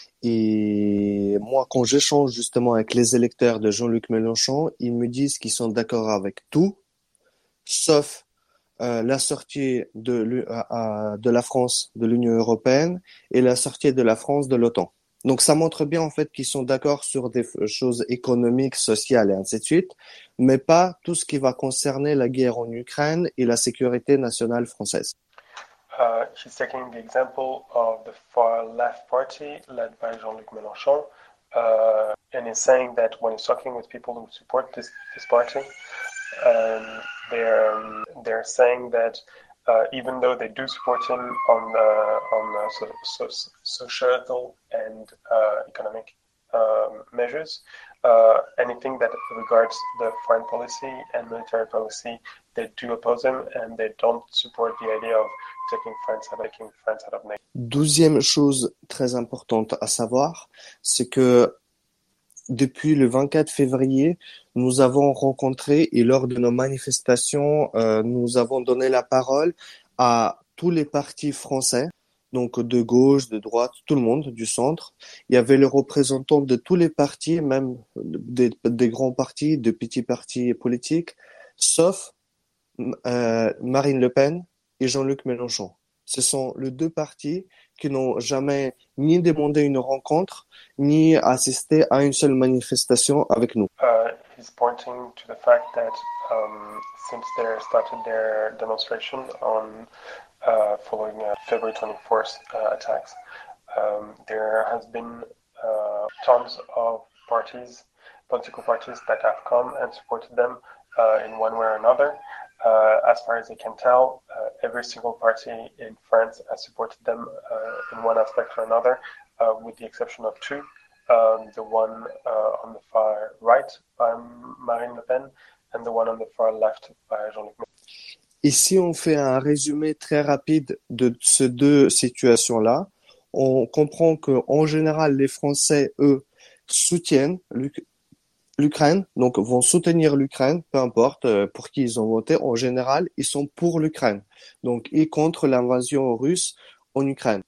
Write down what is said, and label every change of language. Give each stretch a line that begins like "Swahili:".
French: Et moi, quand j'échange justement avec les électeurs de Jean-Luc Mélenchon, ils me disent qu'ils sont d'accord avec tout, sauf la sortie de la France de l'Union européenne et la sortie de la France de l'OTAN. Donc ça montre bien en fait qu'ils sont d'accord sur des choses économiques, sociales et ainsi de suite, mais pas tout ce qui va concerner la guerre en Ukraine et la sécurité nationale française.
English: She's taking the example of the far left party led by Jean-Luc Mélenchon, and is saying that when he's talking with people who support this party, they're saying that even though they do support him on social and economic measures, anything that regards the foreign policy and military policy, they do oppose him and they don't support the idea of taking France out of NATO.
French: Douzième chose très importante à savoir, c'est que depuis le 24 février, nous avons rencontré et lors de nos manifestations, nous avons donné la parole à tous les partis français, donc de gauche, de droite, tout le monde, du centre. Il y avait les représentants de tous les partis, même des grands partis, de petits partis politiques, sauf Marine Le Pen et Jean-Luc Mélenchon. Ce sont les deux partis qui n'ont jamais ni demandé une rencontre, ni assisté à une seule manifestation avec nous.
English: He's pointing to the fact that since they started their demonstration on following February 24th attacks, there has been tons of parties, political parties, that have come and supported them in one way or another. As far as they can tell, every single party in France has supported them in one aspect or another, with the exception of two. The one on the far right by Marine Le Pen and the one on the far left by Jean-Luc Mélenchon.
French: Ici, on fait un résumé très rapide de ces deux situations-là. On comprend qu'en général, les Français, eux, soutiennent l'Ukraine, donc vont soutenir l'Ukraine, peu importe pour qui ils ont voté. En général, ils sont pour l'Ukraine, donc ils contre l'invasion russe en Ukraine.